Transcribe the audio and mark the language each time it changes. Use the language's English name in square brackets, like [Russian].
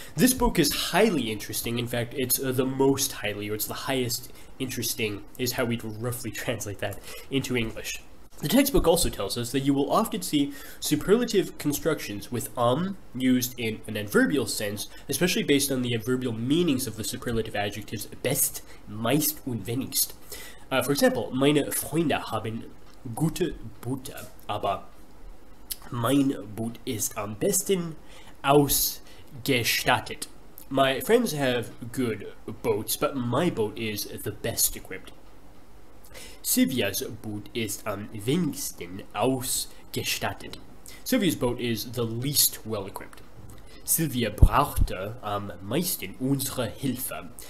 [English] This book is highly interesting. In fact, it's the most highly, or it's the highest interesting, is how we'd roughly translate that into English. The textbook also tells us that you will often see superlative constructions with used in an adverbial sense, especially based on the adverbial meanings of the superlative adjectives best, [German] meist, und wenigst. For example, meine Freunde haben gute Butter, aber mein Boot ist am besten ausgestattet. [English] My friends have good boats, but my boat is the best equipped. [German] Sylvia's boat ist am wenigsten ausgestattet. [English] Sylvia's boat is the least well equipped. [German] Sylvia brauchte am meisten unsere Hilfe.